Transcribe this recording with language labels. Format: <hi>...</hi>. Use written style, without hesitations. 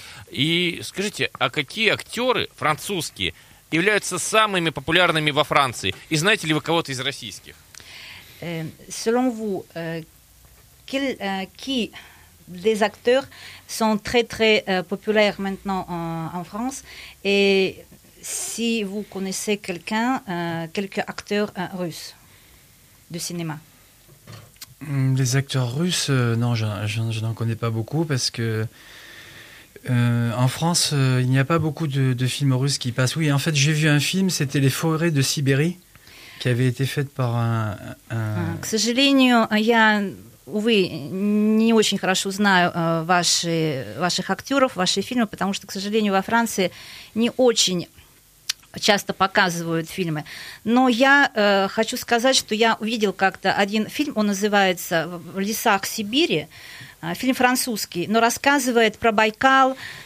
<ru>И скажите, а какие актеры французские являются самыми популярными во Франции? И знаете ли вы кого-то из российских?</ru> <fr>Selon vous, qui des acteurs sont très très populaires maintenant en France et si vous connaissez quelqu'un, quelques acteurs russes de cinéma? Les acteurs russes, non, je n'en connais pas beaucoup parce que en France, il n'y a pas beaucoup de films russes qui passent. Oui, en fait, j'ai vu un film, c'était Les Forêts de Sibérie, qui avait été faite par</fr> <ru>К сожалению, я, увы, не очень хорошо знаю ваших актеров, ваши фильмы, потому что, к сожалению, во Франции не очень часто показывают фильмы. Но я хочу сказать, что я увидел как-то один фильм, он называется «В лесах Сибири», фильм французский, но рассказывает про Байкал.</ru>